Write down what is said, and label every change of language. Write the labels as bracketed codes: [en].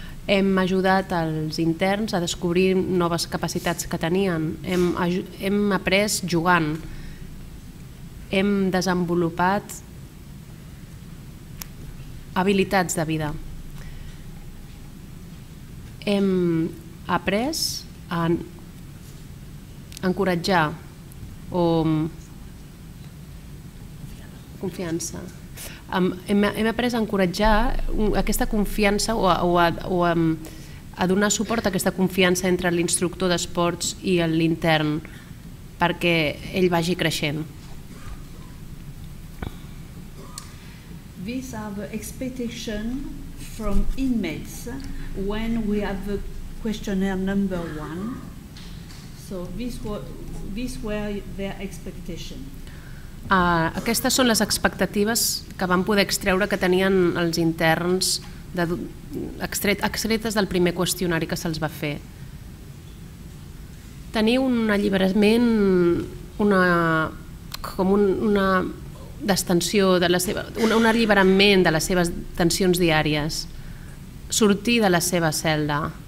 [ca] Hem ajudat els interns a descobrir noves capacitats que tenien. Hem après jugant. Hem desenvolupat habilitats de vida. Hem après a encoratjar o... confiança. Hem après a encoratjar aquesta confiança o a donar suport a aquesta confiança entre l'instructor d'esports i l'intern perquè ell vagi creixent. [en] These are the expectations from inmates when we have the questionnaire number one. So these were their expectations. [ca] Aquestes són les expectatives que van poder extreure que tenien els interns extretes del primer qüestionari que se'ls va fer. Tenir un alliberament, una destensió de la seva, un alliberament de les seves tensions diàries, sortir de la seva cel·la,